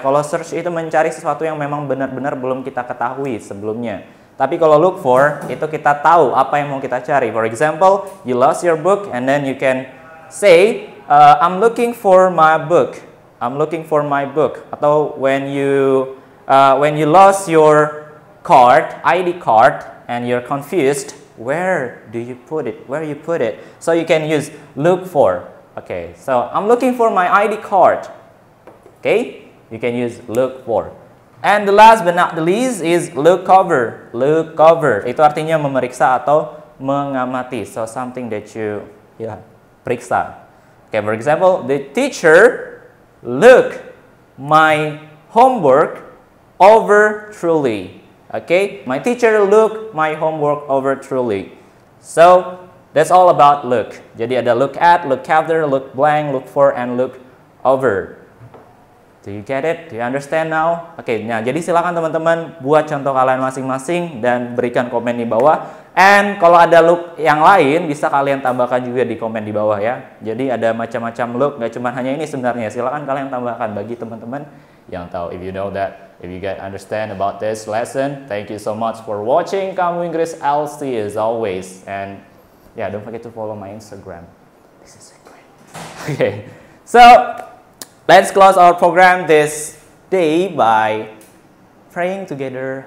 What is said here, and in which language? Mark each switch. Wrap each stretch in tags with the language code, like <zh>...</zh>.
<id>Kalau search itu mencari sesuatu yang memang benar-benar belum kita ketahui sebelumnya. Tapi kalau look for, itu kita tahu apa yang mau kita cari.</id> <en>For example, you lost your book and then you can say, I'm looking for my book. I'm looking for my book. Atau when you lost your card, ID card, and you're confused, where do you put it? Where you put it? So you can use look for. Okay, so I'm looking for my ID card. Okay, you can use look for. And the last but not the least is look over. Look over.</en> <id>Itu artinya memeriksa atau mengamati.</id> <en>So something that you, yeah, periksa. Okay, for example, the teacher look my homework over truly. Okay, my teacher look my homework over truly. So that's all about look.</en> <id>Jadi ada</id> <en>look at, look after, look blank, look for, and look over. Do you get it? Do you understand now?</en> <id>Oke, okay, nah, jadi silakan teman-teman buat contoh kalian masing-masing dan berikan komen di bawah. And kalau ada look yang lain, bisa kalian tambahkan juga di komen di bawah ya. Jadi ada macam-macam look, nggak cuma hanya ini sebenarnya. Silakan kalian tambahkan bagi teman-teman yang tahu.</id> <en>If you know that, if you get understand about this lesson, thank you so much for watching Kamu Inggris LC as always. And yeah, don't forget to follow my Instagram. This is great. Oke, so let's close our program this day by praying together.</en>